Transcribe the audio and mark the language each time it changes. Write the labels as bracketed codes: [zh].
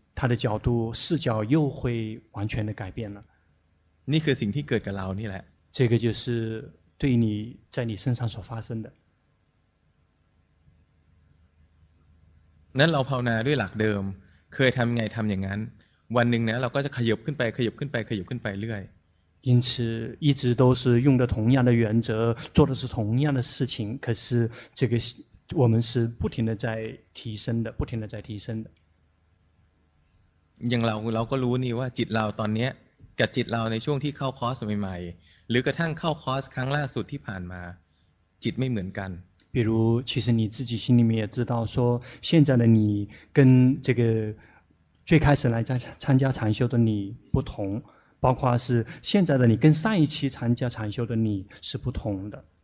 [zh] 他的角度视角又会完全的改变了 [th] นี่คือสิ่งที่เกิดกับเรานี่แหละ [zh] 这个就是对你在你身上所发生的 [th] นั้นเราภาวนาด้วยหลักเดิมเคยทำไงทำอย่างนั้นวันหนึ่งนะเราก็จะขยับขึ้นไปขยับขึ้นไปขยับขึ้นไปเรื่อย [zh] 因此一直都是用的同样的原则做的是同样的事情可是这个我们是不停的在提升的不停的在提升的 [th] อย่างเราก็รู้นี่ว่าจิตเราตอนนี้กับจิตเราในช่วงที่เข้าคอร์สใหม่ๆหรือกระทั่งเข้าคอร์สครั้งล่าสุดที่ผ่านมาจิตไม่เหมือนกัน [zh] 比如其实你自己心里面也知道说现在的你跟这个最开始来参加禅修的你不同包括是现在的你跟上一期参加禅修的你是不同的